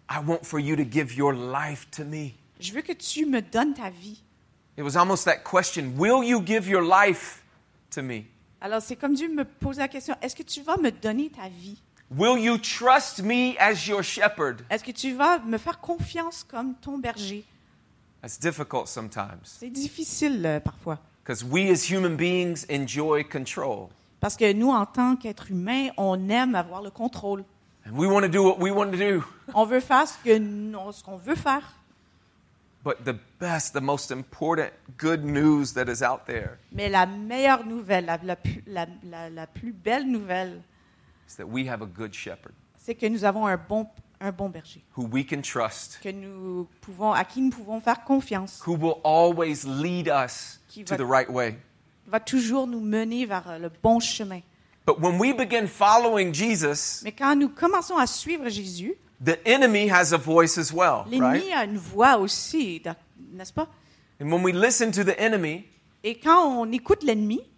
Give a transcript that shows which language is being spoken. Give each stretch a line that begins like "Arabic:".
English: I want for you to give your life to me.
French: Je veux que tu me donnes ta vie.
English: It was almost that question, will you give your life to me?
French: Alors c'est comme Dieu me pose la question, est-ce que tu vas me donner ta vie?
English: Will you trust me as your shepherd?
French: Est-ce que tu vas me faire confiance comme ton berger?
English: It's difficult sometimes.
French: C'est difficile parfois.
English: Because we as human beings enjoy control.
French: Parce que nous en tant qu'êtres humains, on aime avoir le contrôle.
English: And we want to do what we want to do.
French: On veut faire ce qu'on veut faire.
English: But the best, the most important good news that is out there.
French: Mais la meilleure nouvelle, la plus belle nouvelle,
English: is that we have a good shepherd.
French: C'est que nous avons un bon berger.
English: Who we can trust.
French: À qui nous pouvons faire confiance.
English: Who will always lead us to the right way.
French: Va toujours nous mener vers le bon chemin.
English: But when we begin following Jesus,
French: mais quand nous commençons à suivre Jésus,
English: the enemy has a voice as well,
French: l'ennemi
English: right?
French: a une voix aussi, n'est-ce pas?
English: And when we listen to the enemy,
French: et quand on écoute l'ennemi,